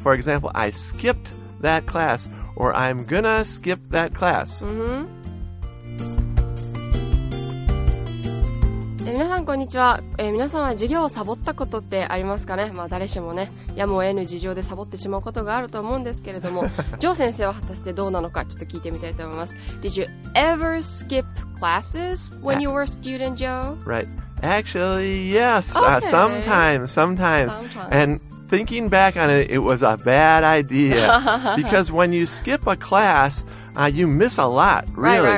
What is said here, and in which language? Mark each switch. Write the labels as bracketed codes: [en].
[en] For example, I skipped that class, or I'm gonna skip that class. Mm-hmm. [ja] 皆さんこんにちは、皆さんは授業をサボったことってありますかね、まあ、誰しもねやむを得ぬ事情でサボってしまうことがあると思うんですけれどもジョー先生は果たしてどうなのかちょっと聞いてみたいと思います。 [en] Did you ever skip classes when you were a student, Joe? Right. Actually, yes. Okay. Sometimes. And thinking back on it, it was a bad idea. Because when you skip a class... You miss a lot, really.